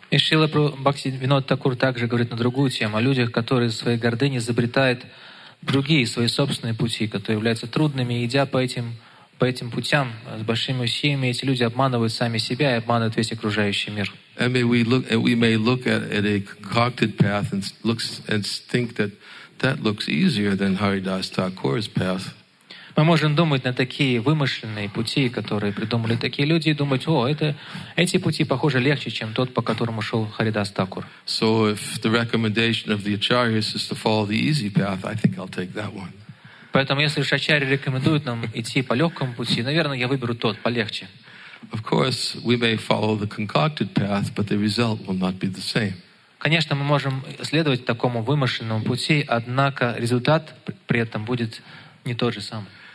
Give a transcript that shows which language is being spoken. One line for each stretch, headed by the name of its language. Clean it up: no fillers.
Russian: И Шрила Бхактивинода Такур также говорит на другую тему, о людях, которые в своей гордыне изобретают другие, свои собственные пути, которые являются трудными, и идя по этим путям с большими усилиями, эти люди обманывают сами себя и обманывают весь окружающий мир.
English: And we may look at a concocted path and think that looks easier than Haridas Thakur's path.
Russian: Мы можем думать на такие вымышленные пути, которые придумали такие люди, и думать, о, эти пути, похоже, легче, чем тот, по которому шел Харидас Такур.
English: So if the recommendation of the acharyas is to follow the easy path, I think I'll take that one.
Russian: Поэтому, если уж ачарьи рекомендуют нам идти по легкому пути, наверное, я выберу тот, полегче.
English: Of course, we may follow the concocted path, but the result will not be the same.
Russian: Конечно, мы можем следовать такому вымышленному пути, однако результат при этом будет не тот же самый.